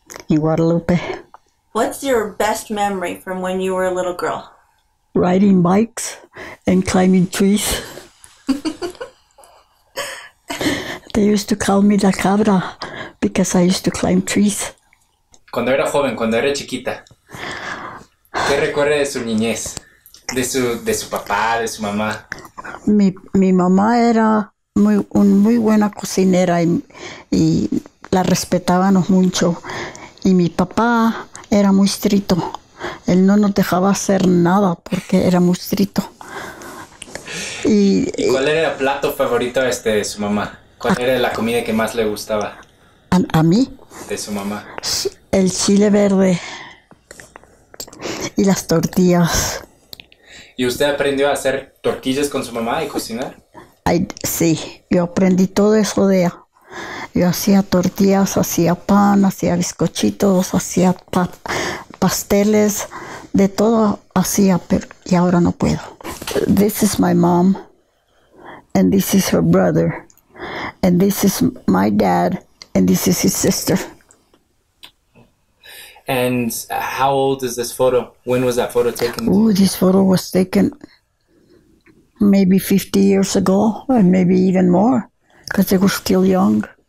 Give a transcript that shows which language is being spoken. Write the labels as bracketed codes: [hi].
[en] In Guadalupe. What's your best memory from when you were a little girl? Riding bikes and climbing trees. They used to call me [es] la cabra [en] because I used to climb trees. [es] Cuando era joven, cuando era chiquita, ¿qué recuerda de su niñez? De su papá, de su mamá. Mi mamá era muy buena cocinera y la respetábamos mucho. Y mi papá era muy estricto. Él no nos dejaba hacer nada porque era muy estricto. ¿Y cuál era el plato favorito de su mamá? ¿Cuál era la comida que más le gustaba? ¿A mí? De su mamá. El chile verde y las tortillas. ¿Y usted aprendió a hacer tortillas con su mamá y cocinar? Sí, yo aprendí todo eso de ella. Yo hacía tortillas, hacía pan, hacía bizcochitos, hacía pasteles, de todo hacía, pero y ahora no puedo. [en] This is my mom, and this is her brother, and this is my dad, and this is his sister. And how old is this photo? When was that photo taken? Ooh, this photo was taken maybe 50 years ago, and maybe even more, because they were still young.